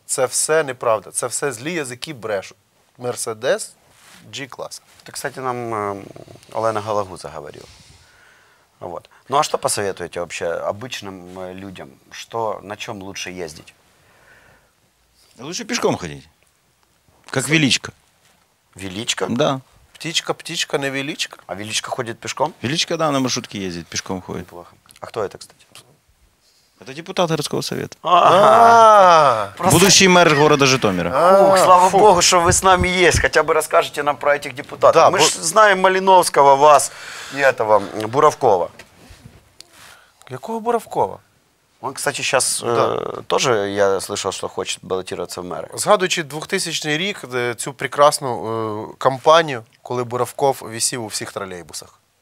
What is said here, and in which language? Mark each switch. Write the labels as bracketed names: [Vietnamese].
[Ukrainian] Це все неправда, це все злі язики брешуть. [Russian] Mercedes G-класс. Ты, кстати, нам Олена Галагуза говорила. Вот. Ну а что посоветуете вообще обычным людям? Что, на чем лучше ездить? Лучше пешком ходить. Как величка. Величка? Да. Птичка, не величка. А величка ходит пешком? Величка, да, на маршрутке ездит, пешком ходит. Неплохо. А кто это, кстати? Это депутат городского совета. А-а-а. Будущий мэр города Житомира. Ух, слава богу, что вы с нами есть. Хотя бы расскажите нам про этих депутатов. Да, мы же знаем Малиновского, вас и этого, Буровкова. Какого Буровкова? Он, кстати, сейчас тоже, я слышал, что хочет баллотироваться в мэры. [Ukrainian] Згадуючи 2000-й рік, цю прекрасну кампанию, коли Буровков висів у всіх тролейбусах.